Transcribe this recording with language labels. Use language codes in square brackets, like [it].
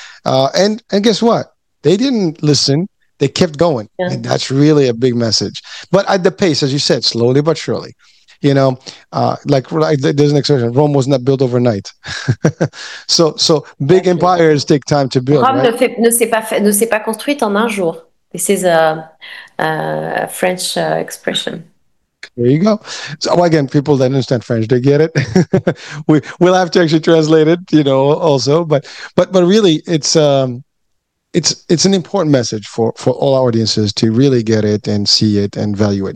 [en] And guess what? They didn't listen. They kept going, and that's really a big message. But at the pace, as you said, slowly but surely, you know, there's an expression, Rome was not built overnight. so big empires take time to build. [fr] Rome ne s'est pas construite en un jour. [en] This is a French expression. There you go. So again, people that understand French, they get it. we'll have to actually translate it, you know, also. But really, it's... it's an important message for all our audiences to really get it and see it and value it.